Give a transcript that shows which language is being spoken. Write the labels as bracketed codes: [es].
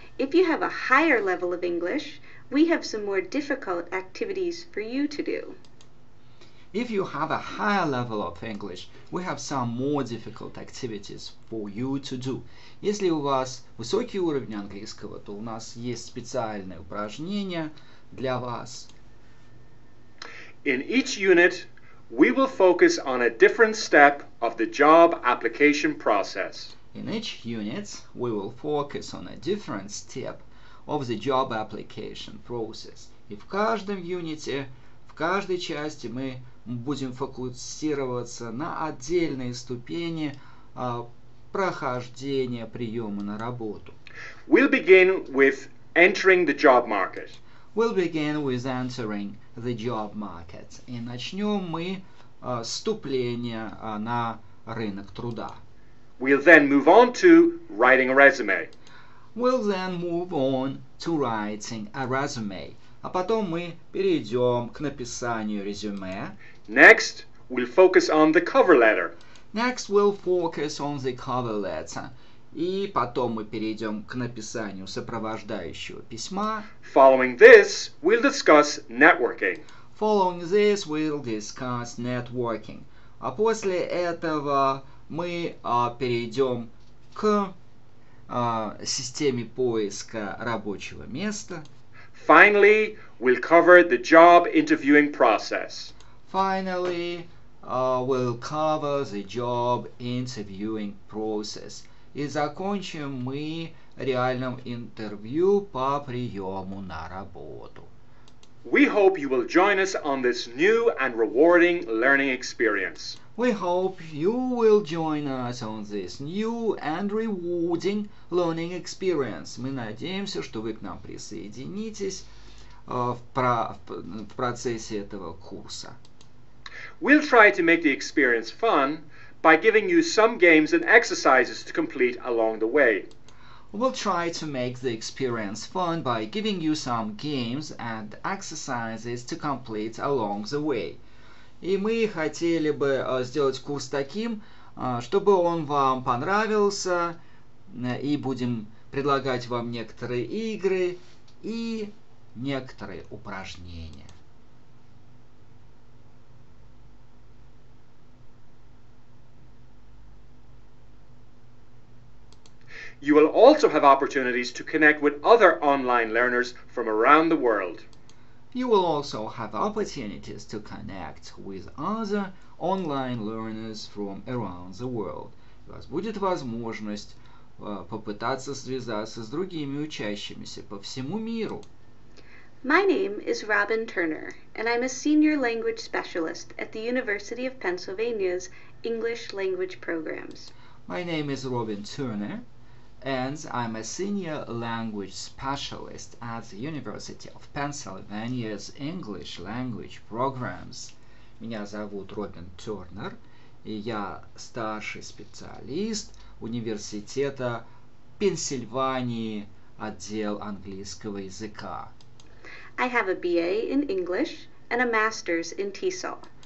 [en] If you have a higher level of English, we have some more difficult activities for you to do. If you have a higher level of English, we have some more difficult activities for you to do. [ru] Если у вас высокий уровень английского, то у нас есть специальные упражнения для вас. [en] In each unit, we will focus on a different step of the job application process. In each unit, we will focus on a different step of the job application process. [ru] И в каждом юните, в каждой части мы будем фокусироваться на отдельные ступени прохождения приема на работу. [en] We'll begin with entering the job market. We'll begin with entering the job market. [ru] И начнем мы вступление на рынок труда. [en] We'll then move on to writing a resume. We'll then move on to writing a resume. [ru] А потом мы перейдем к написанию резюме. [en] Next, we'll focus on the cover letter. Next, we'll focus on the cover letter. [ru] И потом мы перейдем к написанию сопровождающего письма. [en] Following this, we'll discuss networking. Following this, we'll discuss networking. [ru] А после этого мы перейдем к системе поиска рабочего места. [en] Finally, we'll cover the job interviewing process. Finally, we'll cover the job interviewing process. [ru] И закончим мы реальным интервью по приему на работу. [en] We hope you will join us on this new and rewarding learning experience. We hope you will join us on this new and rewarding learning experience. [ru] Мы надеемся, что вы к нам присоединитесь в процессе этого курса. [en] We'll try to make the experience fun by giving you some games and exercises to complete along the way. We'll try to make the experience fun by giving you some games and exercises to complete along the way. [ru] И мы хотели бы сделать курс таким, чтобы он вам понравился, и будем предлагать вам некоторые игры и некоторые упражнения. [en] You will also have opportunities to connect with other online learners from around the world. You will also have opportunities to connect with other online learners from around the world. [ru] У вас будет возможность попытаться связаться с другими учащимися по всему миру. [en] My name is Robin Turner, and I'm a senior language specialist at the University of Pennsylvania's English language programs. My name is Robin Turner, and I'm a senior language specialist at the University of Pennsylvania's English Language Programs. [ru] Меня зовут Робин Тёрнер, и я старший специалист Университета Пенсильвании, отдел английского языка. [en] I have a BA in English and a master's in TESOL.